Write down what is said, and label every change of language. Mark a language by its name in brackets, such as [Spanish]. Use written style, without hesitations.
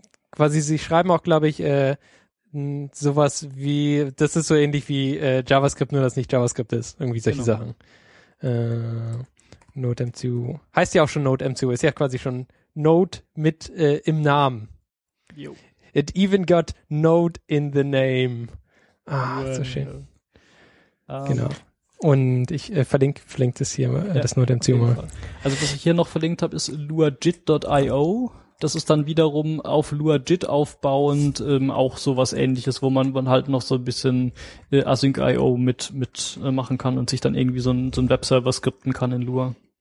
[German] Quasi, sie schreiben auch, glaube ich, sowas wie, das ist so ähnlich wie JavaScript, nur dass nicht JavaScript ist, irgendwie solche genau. Sachen. NodeMCU heißt ja auch schon NodeMCU, ist ja quasi schon Node mit im Namen. Jo. [English] It even got Node in the name. [German] Ah, so schön. Genau. Und ich verlinke das hier, das NodeMCU mal. Also was ich hier noch verlinkt habe, ist luajit.io. Das ist dann wiederum auf LuaJIT aufbauend auch sowas ähnliches, wo man halt noch so ein bisschen Async.io mit machen kann und sich dann irgendwie so ein Webserver skripten kann in Lua.